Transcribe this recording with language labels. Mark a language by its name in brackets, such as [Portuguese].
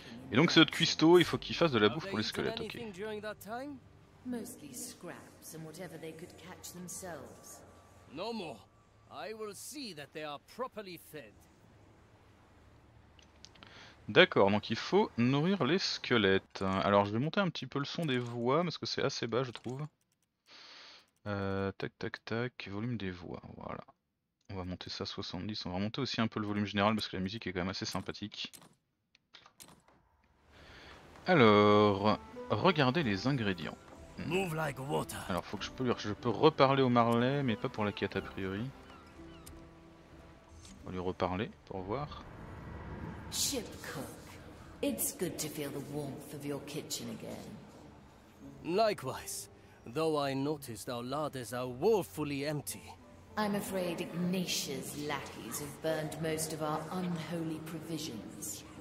[French] Et donc c'est notre cuistot, il faut qu'il fasse de la bouffe pour les squelettes, ok. [English] Mostly scraps and whatever they could catch themselves. No more. I will see that they are properly fed. [French] D'accord, donc il faut nourrir les squelettes. Alors je vais monter un petit peu le son des voix parce que c'est assez bas, je trouve. Tac tac tac, volume des voix, voilà. On va monter ça à 70, on va monter aussi un peu le volume général parce que la musique est quand même assez sympathique. Alors, regardez les ingrédients. Alors faut que je peux reparler au Marley, mais pas pour la quête a priori. On va lui reparler pour voir. [English] Ship cook, it's good to feel the warmth of your kitchen again. Likewise. Though I noticed our larders are woefully empty. I'm afraid Ignatius' lackeys have burned most of our unholy provisions.